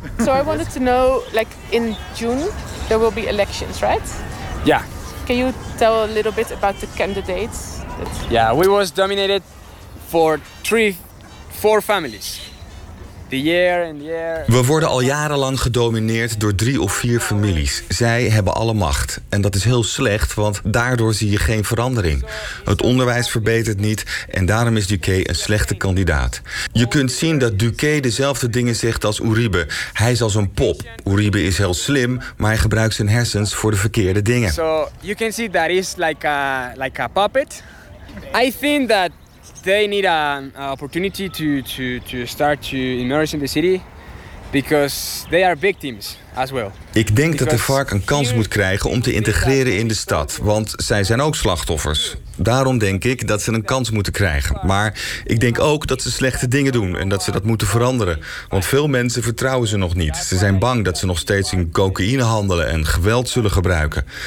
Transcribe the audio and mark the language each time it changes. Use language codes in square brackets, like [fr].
[en] So I wanted to know, like in June, there will be elections, right? Yeah. Can you tell a little bit about the candidates? Yeah, we was dominated for 3-4 families. [nl] We worden al jarenlang gedomineerd door 3 of 4 families. Zij hebben alle macht. En dat is heel slecht, want daardoor zie je geen verandering. Het onderwijs verbetert niet en daarom is Duque een slechte kandidaat. Je kunt zien dat Duque dezelfde dingen zegt als Uribe. Hij is als een pop. Uribe is heel slim, maar hij gebruikt zijn hersens voor de verkeerde dingen. [en] So you can see that is like a puppet. I think that they need an opportunity to start to immerse in the city because they are victims as well. [nl] Ik denk dat de FARC een kans moet krijgen om te integreren in de stad, want zij zijn ook slachtoffers. Daarom denk ik dat ze een kans moeten krijgen. Maar ik denk ook dat ze slechte dingen doen en dat ze dat moeten veranderen. Want veel mensen vertrouwen ze nog niet. Ze zijn bang dat ze nog steeds in cocaïne handelen en geweld zullen gebruiken.